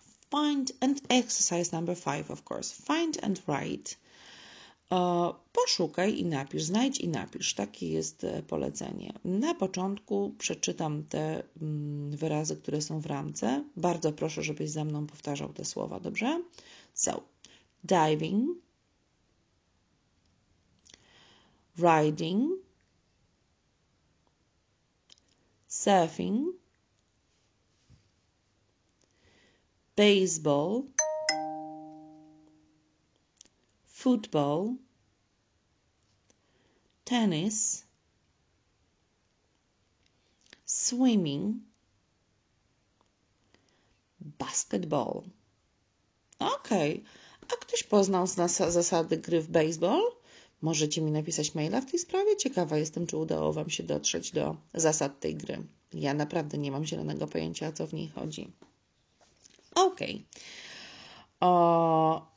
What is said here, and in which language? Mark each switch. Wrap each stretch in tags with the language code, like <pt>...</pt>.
<en>Find and exercise number 5, of course. Find and write.</en> <pl>Poszukaj i napisz, znajdź i napisz. Takie jest polecenie. Na początku przeczytam te wyrazy, które są w ramce. Bardzo proszę, żebyś ze mną powtarzał te słowa, dobrze?</pl> <en>So, diving, riding, surfing, baseball, football, tennis, swimming, basketball. Okej. Okay.</en> <pl>A ktoś poznał zasady gry w baseball? Możecie mi napisać maila w tej sprawie? Ciekawa jestem, czy udało Wam się dotrzeć do zasad tej gry. Ja naprawdę nie mam zielonego pojęcia, o co w niej chodzi. Okej. Okay.</pl>